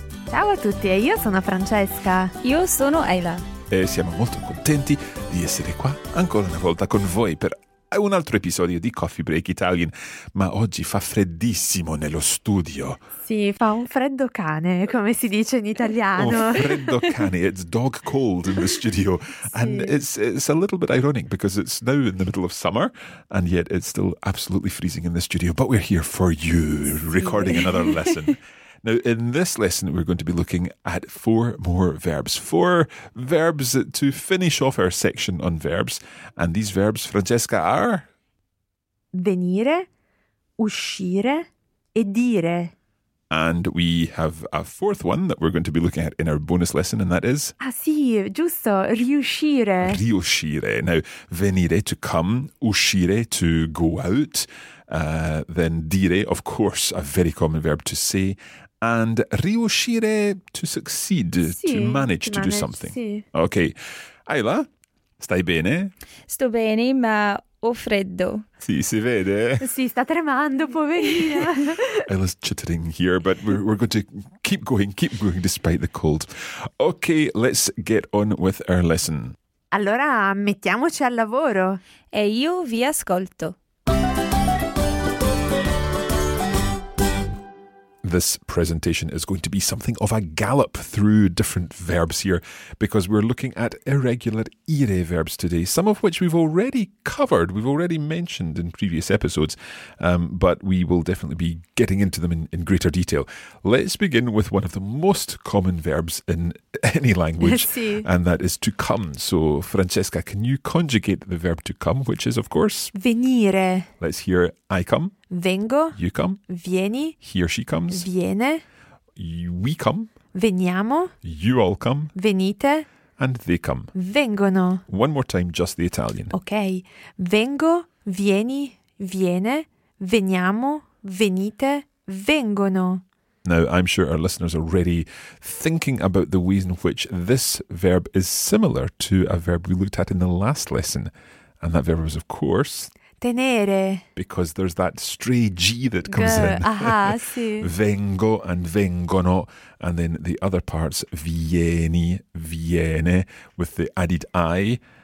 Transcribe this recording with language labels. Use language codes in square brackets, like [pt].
[it] Ciao a tutti, e io sono Francesca. Io sono Ayla. E siamo molto contenti di essere qua ancora una volta con voi per un altro episodio di Coffee Break Italian, ma oggi fa freddissimo nello studio. Sì, fa un freddo cane, come si dice in italiano. Un freddo cane, [en] it's dog cold in the studio. Sì. And it's a little bit ironic because it's now in the middle of summer and yet it's still absolutely freezing in the studio. But we're here for you, recording another lesson. Now, in this lesson, we're going to be looking at four more verbs. Four verbs to finish off our section on verbs. And these verbs, Francesca, are? [it] Venire, uscire, e dire. [en] And we have a fourth one that we're going to be looking at in our bonus lesson, and that is? [it] Ah, sì, giusto, riuscire. Riuscire. [en] Now, venire, to come, uscire, to go out. Then dire, of course, a very common verb to say. And riuscire, to succeed, [it] sì, [en] to manage do something. [it] Sì. Ok. Ayla, stai bene? Sto bene, ma ho freddo. Sì, si vede? Sì, sta tremando, poverina. [en] Ayla's chittering here, but we're going to keep going despite the cold. Ok, let's get on with our lesson. [it] Allora, mettiamoci al lavoro. E io vi ascolto. [en] This presentation is going to be something of a gallop through different verbs here because we're looking at irregular ire verbs today, some of which we've already covered, we've already mentioned in previous episodes, but we will definitely be getting into them in greater detail. Let's begin with one of the most common verbs in any language, and that is to come. So, Francesca, can you conjugate the verb to come, which is, of course? [it] Venire. [en] Let's hear I come. [it] Vengo. [en] You come. [it] Vieni. [en] He or she comes. [it] Viene. [en] We come. [it] Veniamo. [en] You all come. [it] Venite. [en] And they come. [it] Vengono. [en] One more time, just the Italian. Okay. [it] Vengo, vieni, viene, veniamo, venite, vengono. [en] Now, I'm sure our listeners are already thinking about the ways in which this verb is similar to a verb we looked at in the last lesson. And that verb was, of course, [it] tenere. [en] Because there's that stray G that comes in. [it] sì. [en] Vengo and vengono. And then the other parts, vieni, viene, with the added I.